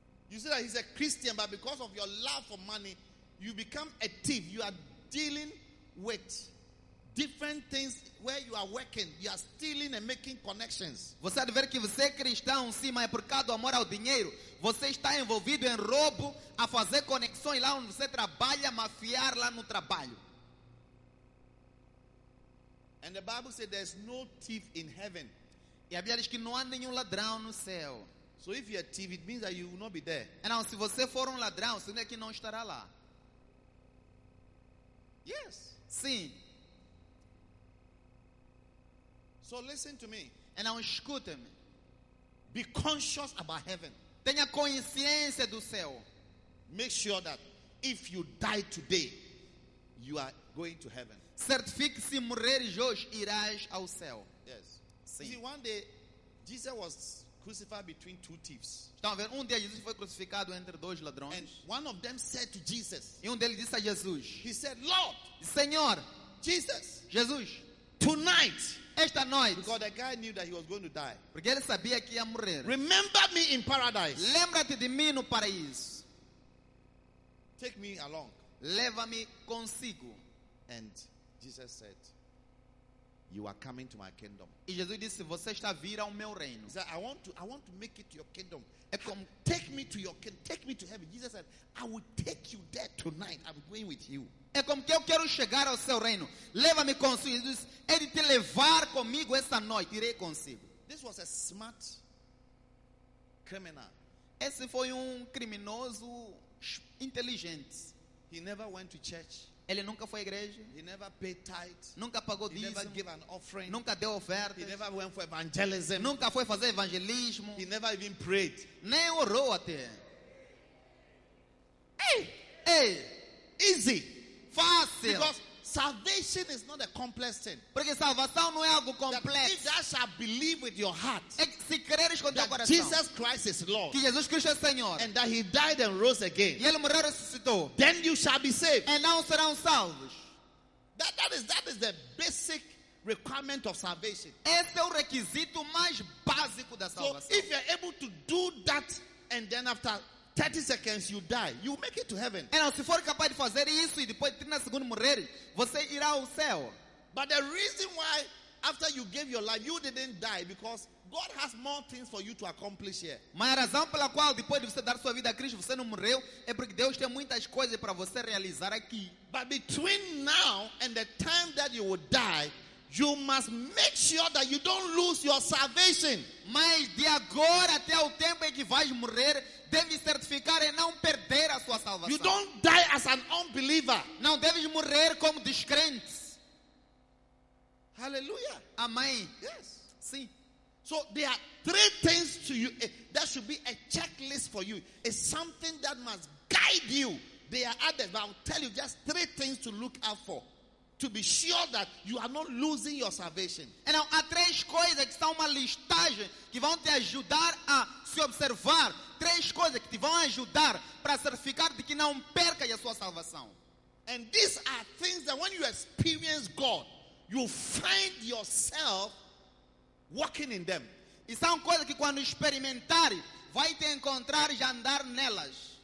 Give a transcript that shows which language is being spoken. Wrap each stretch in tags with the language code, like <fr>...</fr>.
<en>You see that he's a Christian, but because of your love for money, you become a thief. You are dealing with different things where you are working. You are stealing and making connections.</en> <pt>Você deve ver que você é cristão, sim, mas é por causa do amor ao dinheiro. Você está envolvido em roubo, a fazer conexões lá onde você trabalha, mafiar lá no trabalho.</pt> <en>And the Bible says there's no thief in heaven.</en> <pt>E a Bíblia diz que não há nenhum ladrão no céu.</pt> <en>So if you're a thief, it means that you will not be there.</en> <pt>Não, se você for um ladrão, significa que não estará lá.</pt> <en>Yes.</en> <pt>Sim.</pt> <en>So listen to me. And now</en> <pt>escute-me.</pt> <en>Be conscious about heaven.</en> <pt>Tenha consciência do céu.</pt> <en>Make sure that if you die today, you are going to heaven.</en> <pt>Certifique-se, morreres hoje, irás ao céu.</pt> <en>Yes.</en> <pt>Sim.</pt> <en>See, one day, Jesus was crucified between two thieves.</en> <pt>Estão vendo? Um dia Jesus foi crucificado entre dois ladrões.</pt> <en>And one of them said to Jesus.</en> <pt>E um deles disse a Jesus.</pt> <en>He said, Lord.</en> <pt>Senhor.</pt> <en>Jesus.</en> <pt>Jesus.</pt> <en>Tonight.</en> <pt>Esta noite.</pt> <en>Because the guy knew that he was going to die.</en> <pt>Porque ele sabia que ia morrer.</pt> <en>Remember me in paradise.</en> <pt>Lembra-te de mim no paraíso.</pt> <en>Take me along.</en> <pt>Leva-me consigo.</pt> <en>And Jesus said, you are coming to my kingdom.</en> <pt>E Jesus disse, você está a vir ao meu reino.</pt> <en>He said, I want to make it to your kingdom. Come, take me to your kingdom. Take me to heaven. Jesus said, I will take you there tonight. I'm going with you.</en> <pt>É como que eu quero chegar ao seu reino. Leva-me consigo. Jesus, é de te levar comigo esta noite. Irei consigo.</pt> <en>This was a smart criminal.</en> <pt>Esse foi criminoso inteligente.</pt> <en>He never went to church.</en> <pt>Ele nunca foi à igreja.</pt> <en>He never paid tithe.</en> <pt>Nunca pagou dízimo.</pt> <en>He never gave an offering.</en> <pt>Nunca deu oferta.</pt> <en>He never went for evangelism.</en> <pt>Nunca foi fazer evangelismo.</pt> <en>He never even prayed.</en> <pt>Nem orou até. Hey, hey,</pt> <en>easy.</en> <pt>Fácil.</pt> <en>Because salvation is not a complex thing.</en> <pt>Porque salvação não é algo complexo.</pt> <en>That if thou believe with your heart.</en> <pt>Se creres com teu coração.</pt> <en>Jesus Christ is Lord.</en> <pt>Que Jesus Cristo é Senhor.</pt> <en>And that he died and rose again.</en> <pt>E ele morreu e ressuscitou.</pt> <en>Then you shall be saved.</en> <pt>E não serão salvos.</pt> <en>That is the basic requirement of salvation.</en> <pt>Esse é o requisito mais básico da salvação.</pt> <en>So if you're able to do that and then after 30 seconds you die, you make it to heaven.</en> <pt>E se for capaz de fazer isso e depois de 30 segundos morrer, você irá ao céu.</pt> <en>But the reason why after you gave your life you didn't die because God has more things for you to accomplish here.</en> <pt>Mas a razão pela qual depois de você dar sua vida a Cristo você não morreu é porque Deus tem muitas coisas para você realizar aqui.</pt> <en>But between now and the time that you will die, you must make sure that you don't lose your salvation.</en> <pt>Mas de agora até o tempo em que vais morrer, deve certificar e não perder a sua salvação.</pt> <en>You don't die as an unbeliever.</en> <pt>Não deves morrer como descrente.</pt> <en>Hallelujah.</en> <pt>Amém.</pt> <en>Yes.</en> <pt>Sim.</pt> <en>So there are three things to you. That should be a checklist for you. It's something that must guide you. There are others, but I'll tell you just three things to look out for. To be sure that you are not losing your salvation.</en> <pt>E não, há três coisas que são uma listagem que vão te ajudar a se observar três coisas que te vão ajudar para certificar de que não perca a sua salvação.</pt> <en>And these are things that when you experience God, you find yourself walking in them.</en> <pt>E são coisas que quando experimentar, vai te encontrar e andar nelas.</pt>